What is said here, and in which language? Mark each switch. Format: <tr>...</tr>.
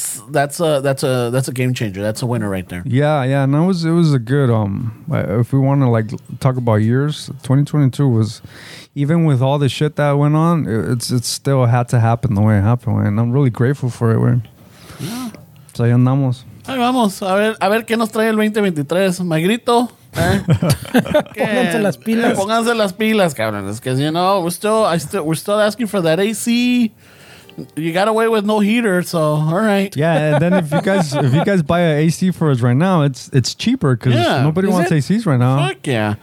<en>That's a game changer. That's a winner right there. Yeah, and it was a good if we want to like talk about years, 2022 was, even with all the shit that went on, it still had to happen the way it happened, and I'm really grateful for it, man. Yeah. So</en> <es>ahí andamos. Ahí vamos. A ver qué nos trae el 2023, my grito. Pónganse las pilas. Pónganse las pilas, cabrones,</es> <en>because you know we're still asking for that AC. You got away with no heater, so all right. Yeah, and then if you guys buy an AC for us right now, it's cheaper because yeah. Nobody wants ACs right now. Fuck yeah.</en>